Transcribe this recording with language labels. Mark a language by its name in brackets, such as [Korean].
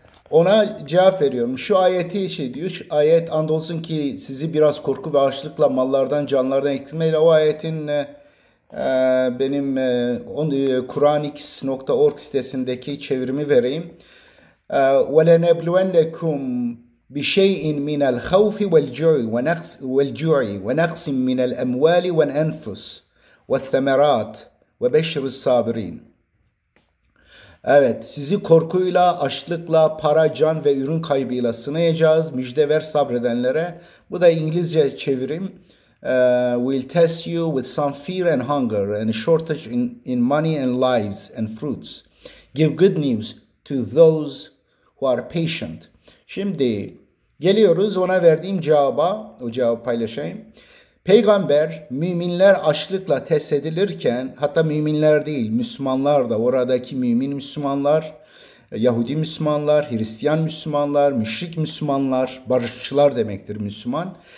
[Turkish] Ona cevap veriyorum. Şu ayeti şey diyor. Şu ayet andolsun ki sizi biraz korku ve açlıkla mallardan canlardan eksilmeyle o ayetin benim kuranix.org sitesindeki çevirimi vereyim. [Arabic] وَلَنَبْلُوَنَّكُمْ بشيء من الخوف والجوع ونقص من الأموال والأنفس والثمرات وبشر الصابرين. [Turkish] Evet, sizi korkuyla, açlıkla, para, can ve ürün kaybıyla sınayacağız. Müjde ver sabredenlere. Bu da İngilizce çevirim. [English] We'll test you with some fear and hunger and a shortage in money and lives and fruits. Give good news to those who are patient. [Turkish] Şimdi geliyoruz ona verdiğim cevaba, o cevabı paylaşayım. Peygamber müminler açlıkla test edilirken, hatta müminler değil Müslümanlar da, oradaki mümin Müslümanlar, Yahudi Müslümanlar, Hristiyan Müslümanlar, müşrik Müslümanlar, barışçılar demektir Müslüman.